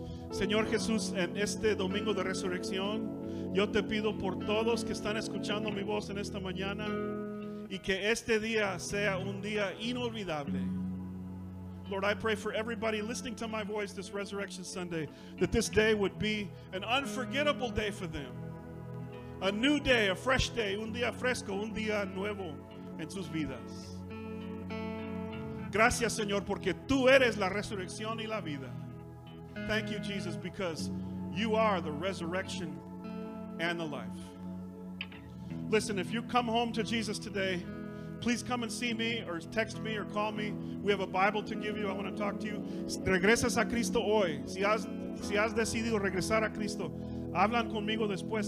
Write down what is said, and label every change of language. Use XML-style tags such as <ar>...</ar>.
<es>Señor Jesús, en este domingo de resurrección, yo te pido por todos que están escuchando mi voz en esta mañana, y que este día sea un día inolvidable.</es> <en>Lord, I pray for everybody listening to my voice this Resurrection Sunday, that this day would be an unforgettable day for them. A new day, a fresh day,</en> <es>un día fresco, un día nuevo en sus vidas. Gracias, Señor, porque tú eres la resurrección y la vida.</es> <en>Thank you, Jesus, because you are the resurrection and the life. Listen, if you come home to Jesus today, please come and see me or text me or call me. We have a Bible to give you. I want to talk to you.</en> <es>Regresas a Cristo hoy. Si has decidido regresar a Cristo, hablan conmigo después.</es>